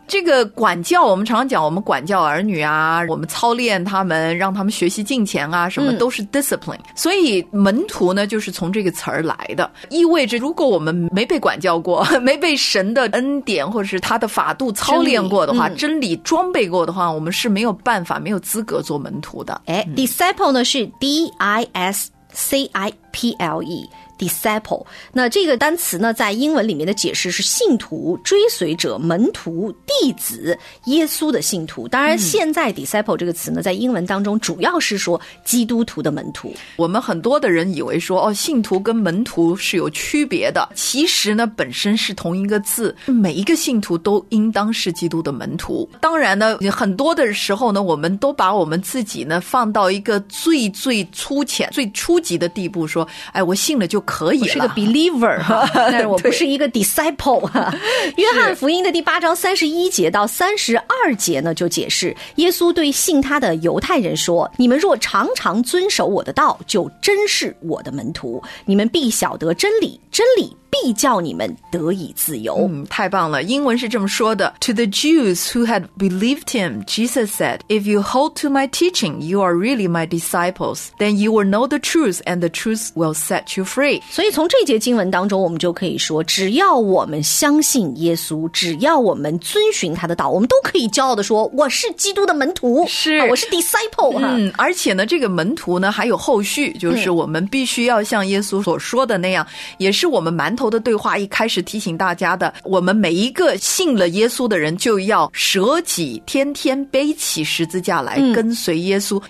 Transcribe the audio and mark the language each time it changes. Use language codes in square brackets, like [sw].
[zh] 这个管教我们常讲，我们管教儿女啊，我们操练他们，让他们学习敬虔啊，什么都是 discipline。所以门徒呢就是从这个词儿来的，意味着如果我们没被管教过，没被神的恩典或者是他的法度操练过的话，真理装备过的话，我们是没有办法，没有资格做门徒的。 Disciple 呢是 D-I-S-C-I-P-L-E。 Disciple， 那这个单词呢在英文里面的解释是信徒、追随者、门徒、弟子、耶稣的信徒。当然现在 Disciple 这个词呢在英文当中主要是说基督徒的门徒。我们很多的人以为说，哦，信徒跟门徒是有区别的，其实呢本身是同一个字，每一个信徒都应当是基督的门徒。当然呢很多的时候呢，我们都把我们自己呢放到一个最最粗浅最初级的地步，说哎，我信了就可以了，我是个 believer 但是我不是一个 disciple。约翰福音的第八章三十一节到三十二节呢就解释，耶稣对信他的犹太人说，你们若常常遵守我的道，就真是我的门徒，你们必晓得真理，真理必叫你们得以自由。太棒了。英文是这么说的， [en] To the Jews who had believed him, Jesus said, If you hold to my teaching, you are really my disciples. Then you will know the truth, and the truth will set you free. [zh] 所以从这节经文当中我们就可以说，只要我们相信耶稣，只要我们遵循他的道，我们都可以骄傲地说我是基督的门徒，是、啊、我是 disciple、而且呢这个门徒呢还有后续，就是我们必须要像耶稣所说的那样、也是我们蛮头的对话一开始提醒大家的，我们每一个信了耶稣的人就要舍己，天天背起十字架来跟随耶稣。